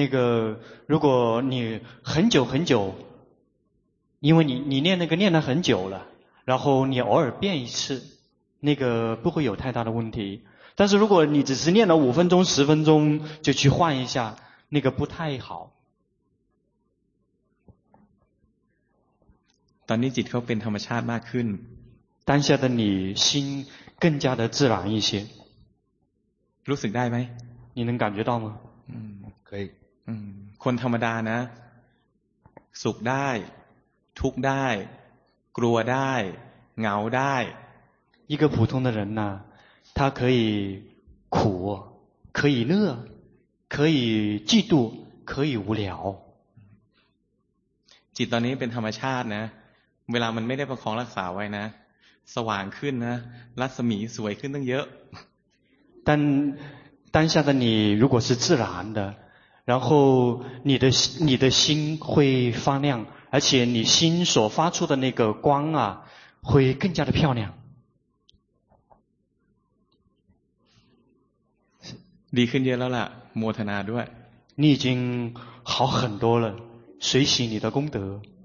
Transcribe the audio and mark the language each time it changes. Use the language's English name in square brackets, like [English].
[Chinese] 那个如果你很久很久因为你念那个念了很久了然后你偶尔变一次那个不会有太大的问题但是如果你只是念了5分钟10分钟就去换一下那个不太好 [Thai] ตอนนี้จิตเขาเป็นธรรมชาติมากขึ้น [Chinese] 当下的你心更加的自然一些 [Thai] รู้สึกได้ไ [Chinese] หม你能感觉到吗可以 [Thai] คนธรรมดานะสุขได้ทุกข์ได้กลัวได้เหงาได้ [Chinese] 一个普通的人呢他可以苦可以乐可以嫉妒可以无聊 [Thai] จิตตอนนี้เป็นธรรมชาตินะเวลามันไม่ได้ประคองรักษาไว้นะสว่างขึ้นนะรัศมีสวยขึ้นตั้งเยอะ [Chinese] 但当下的你如果是自然的然后你的心会发亮而且你心所发出的那个光啊会更加的漂亮 [Thai] ดีขึ้นเยอะแล้วล่ะโมทนาด้วย [Chinese] 你已经好很多了随喜你的功德